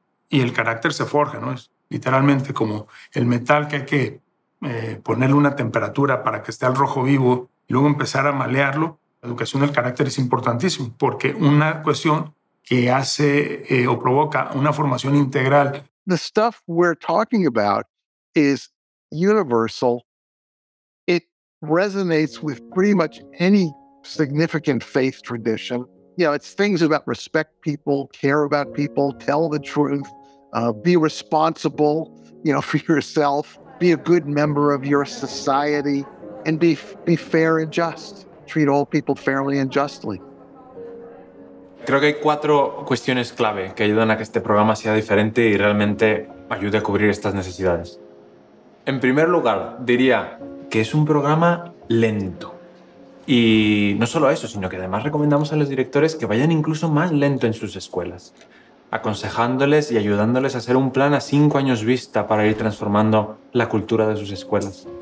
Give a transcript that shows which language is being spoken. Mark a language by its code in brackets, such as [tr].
[es] Y el carácter se forja, ¿no? Es literalmente como el metal que hay que ponerle una temperatura para que esté al rojo vivo y luego empezar a malearlo. La educación del carácter es importantísimo porque una cuestión que hace o provoca una formación integral. [en] The stuff we're talking about is universal. It resonates with pretty much any significant faith tradition. You know, it's things about respect people, care about people, tell the truth, be responsible, you know, for yourself. Be a good member of your society and be fair and just. Treat all people fairly and justly. [es] Creo que hay 4 cuestiones clave que ayudan a que este programa sea diferente y realmente ayude a cubrir estas necesidades. En primer lugar, diría que es un programa lento. Y no solo eso, sino que además recomendamos a los directores que vayan incluso más lento en sus escuelas, aconsejándoles y ayudándoles a hacer un plan a 5 años vista para ir transformando la cultura de sus escuelas.